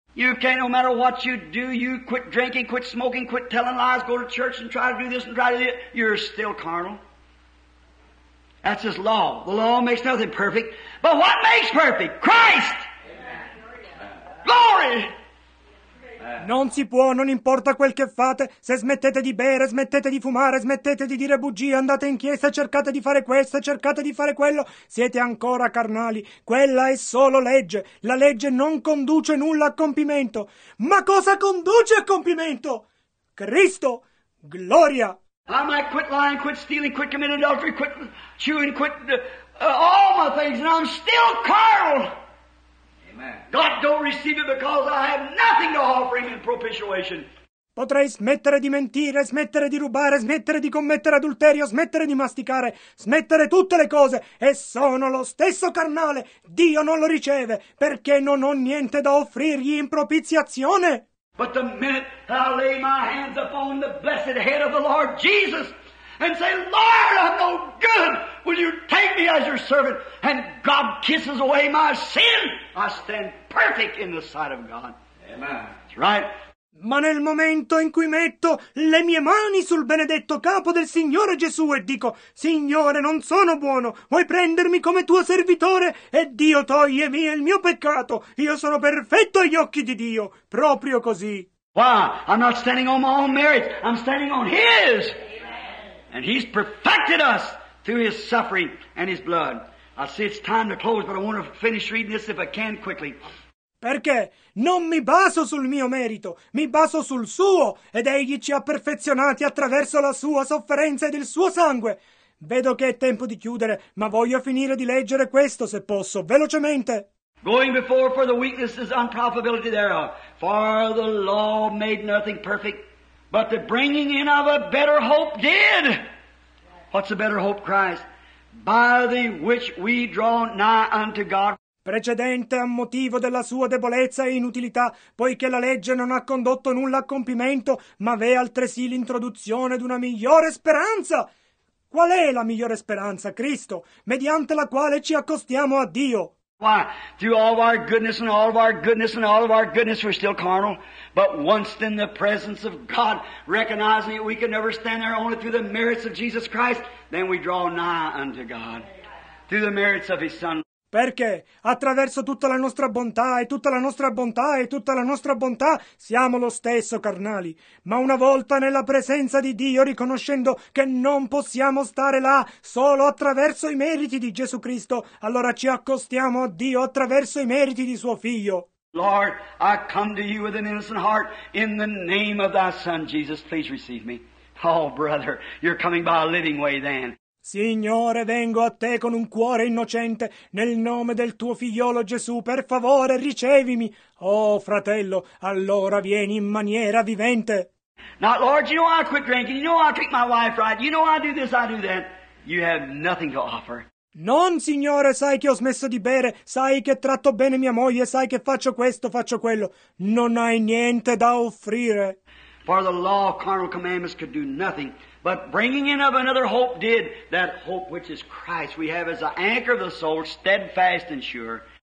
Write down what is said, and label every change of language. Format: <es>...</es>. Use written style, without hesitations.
<en>You can't, no matter what you do, you quit drinking, quit smoking, quit telling lies, go to church and try to do this and try to do that, you're still carnal. That's his law. The law makes nothing perfect. But what makes perfect? Christ! Amen. Glory!</en> <it>Non si può, non importa quel che fate, se smettete di bere, smettete di fumare, smettete di dire bugie, andate in chiesa, cercate di fare questo, cercate di fare quello, siete ancora carnali, quella è solo legge, la legge non conduce nulla a compimento, ma cosa conduce a compimento? Cristo, gloria!</it> <en>I might quit lying, quit stealing, quit committing adultery, quit chewing, quit all my things, and I'm still carnal! God don't receive it because I have nothing to offer him in propitiation.</en> <it>Potrei smettere di mentire, smettere di rubare, smettere di commettere adulterio, smettere di masticare, smettere tutte le cose e sono lo stesso carnale. Dio non lo riceve perché non ho niente da offrirgli in propiziazione.</it> <en>But the minute I lay my hands upon the blessed head of the Lord Jesus and say, Lord, I'm no good. Will you take me as your servant? And God kisses away my sin. I stand perfect in the sight of God. Amen. That's right.</en> <it>Ma nel momento in cui metto le mie mani sul benedetto capo del Signore Gesù e dico, Signore, non sono buono, vuoi prendermi come tuo servitore? E Dio toglie me il mio peccato. Io sono perfetto agli occhi di Dio. Proprio così.</it> <en>Why? I'm not standing on my own merits. I'm standing on His. And he's perfected us through his suffering and his blood. I see it's time to close, but I want to finish reading this if I can quickly.</en> <it>Perché non mi baso sul mio merito, mi baso sul suo, ed egli ci ha perfezionati attraverso la sua sofferenza ed il suo sangue. Vedo che è tempo di chiudere, ma voglio finire di leggere questo, se posso, velocemente.</it> <en>Going before for the weaknesses and unprofitability thereof, for the law made nothing perfect. But the bringing in of a better hope did. What's a better hope, Christ? By the which we draw nigh unto God.</en> <it>Precedente a motivo della sua debolezza e inutilità, poiché la legge non ha condotto nulla a compimento, ma v'è altresì l'introduzione d'una migliore speranza. Qual è la migliore speranza, Cristo, mediante la quale ci accostiamo a Dio?</it> <en>Why? Through all of our goodness and all of our goodness and all of our goodness, we're still carnal. But once in the presence of God, recognizing that we can never stand there only through the merits of Jesus Christ, then we draw nigh unto God. Through the merits of His Son.</en> <it>Perché attraverso tutta la nostra bontà e tutta la nostra bontà e tutta la nostra bontà siamo lo stesso carnali. Ma una volta nella presenza di Dio, riconoscendo che non possiamo stare là solo attraverso i meriti di Gesù Cristo, allora ci accostiamo a Dio attraverso i meriti di suo Figlio.</it> <en>Lord, I come to you with an innocent heart in the name of thy Son Jesus. Please receive me. Oh, brother, you're coming by a living way then.</en> <it>Signore, vengo a te con un cuore innocente, nel nome del tuo figliolo Gesù, per favore ricevimi. Oh, fratello, allora vieni in maniera vivente.</it> <en>Now, Lord, you know I quit drinking, you know I treat my wife right, you know I do this, I do that. You have nothing to offer.</en> <it>Non, signore, sai che ho smesso di bere, sai che tratto bene mia moglie, sai che faccio questo, faccio quello. Non hai niente da offrire.</it> <en>For the law of carnal commandments could do nothing, but bringing in of another hope did, that hope which is Christ we have as an anchor of the soul, steadfast and sure.</en>